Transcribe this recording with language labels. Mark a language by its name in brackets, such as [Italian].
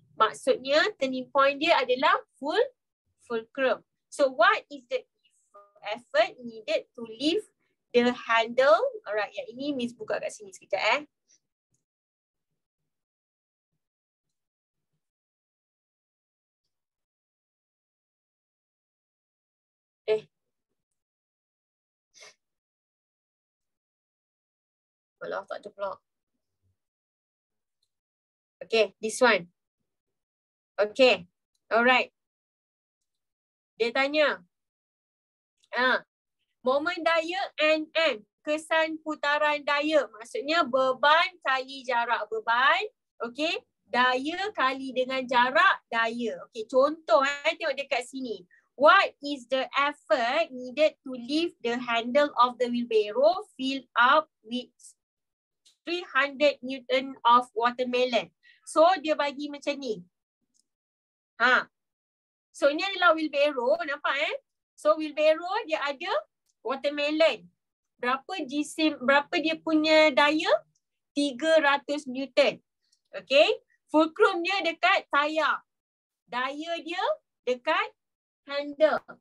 [Malay] Maksudnya, turning point dia adalah fulcrum. [English] So, what is the effort needed to lift the handle? [Malay] Alright, yang ini Miss buka kat sini sekejap eh. Malah tak ada pula. [English] Okay, this one. Okay, alright. [Malay] Dia tanya. Moment daya NM. Kesan putaran daya. Maksudnya beban kali jarak. Beban, okay. Daya kali dengan jarak, daya. Okay, contoh eh. Tengok dekat sini. [English] What is the effort needed to lift the handle of the wheelbarrow filled up with 300 newton of watermelon? [Malay] So, dia bagi macam ni. So, ni adalah wheelbarrow. Nampak eh? So, wheelbarrow dia ada watermelon. Berapa jisim, berapa dia punya daya? 300 newton. Okay. Fulcrum dia dekat tayar. Daya dia dekat handle.